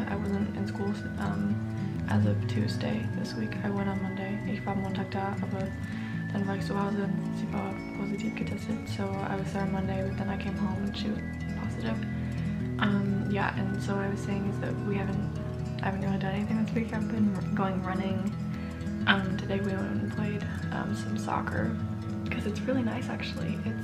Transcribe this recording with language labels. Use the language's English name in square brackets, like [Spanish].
[English] I wasn't in school as of Tuesday this week. I went on Monday. [German] Ich war Montag da, aber dann war ich zu Hause und sie war positiv getestet. [English] So I was there on Monday, but then I came home and she was positive. Yeah, and so what I was saying is that I haven't really done anything this week. I've been going running. Today we went and played some soccer because it's really nice actually.